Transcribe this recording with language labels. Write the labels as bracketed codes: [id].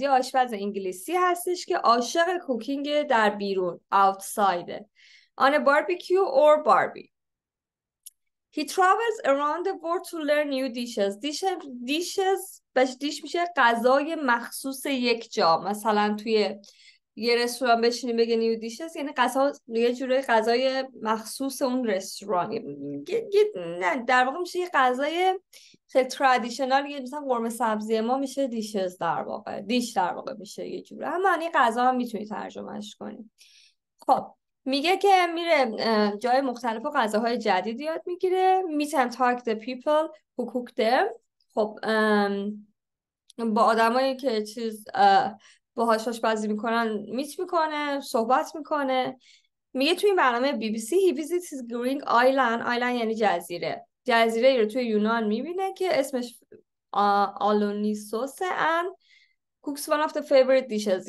[fa] یه آشپز انگلیسی هستش که عاشق کوکینگ در بیرون. [en] Outside. On a barbecue or barbie. He travels around the world to learn new dishes. [fa] Dishes, بهش دیش میشه غذای مخصوص یک جا. مثلا توی یه رستوران بشینی بگه [en] new dishes [fa] یعنی یه جوره غذای مخصوص اون رستوران. نه در واقع میشه یه غذای خیلی ترادیشنال یه مثلا قرمه سبزی ما میشه dishes در واقع. Dish در واقع میشه یه جوره. هم معنی غذا هم میتونی ترجمهش کنی. خب. میگه که میره جای مختلف و غذاهای جدید یاد میگیره. [en] Meet and talk the people who cook them. [fa] خب با آدمایی که چیز باهاش آشپزی میکنن میت میکنه، صحبت میکنه. میگه توی برنامه بی بی سی [en] he visits Greek island. [fa] Island یعنی جزیره. جزیره ای رو توی یونان میبینه که اسمش آلونیسوسه [en] and cooks one of the favorite dishes.